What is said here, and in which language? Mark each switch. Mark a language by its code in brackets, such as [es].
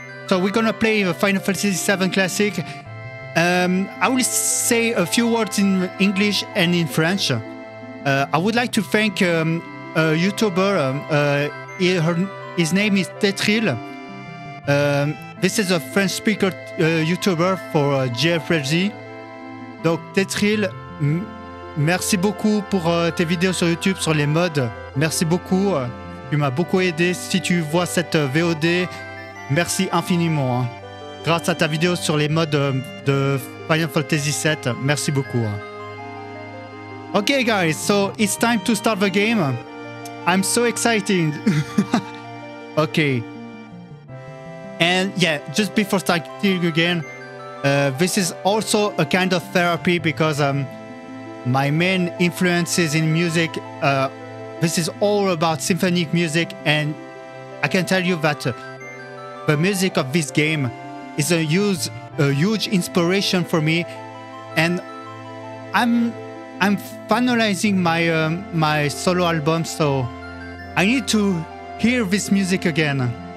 [en] So we're gonna play the Final Fantasy VII Classic. I will say a few words in English and in French. I would like to thank a YouTuber. His name is Tetril. This is a French speaker YouTuber for JFLZ. [fr] Donc Tetril, merci beaucoup pour tes vidéos sur YouTube sur les mods. Merci beaucoup. Tu m'as beaucoup aidé. Si tu vois cette VOD, merci infiniment. Hein. Grâce à ta vidéo sur les mods de Final Fantasy VII, merci beaucoup. [en] Okay guys, so it's time to start the game. I'm so excited. Okay. And yeah, just before starting again, this is also a kind of therapy because my main influences in music, this is all about symphonic music, and I can tell you that the music of this game is a huge inspiration for me, and I'm finalizing my my solo album, so I need to hear this music again.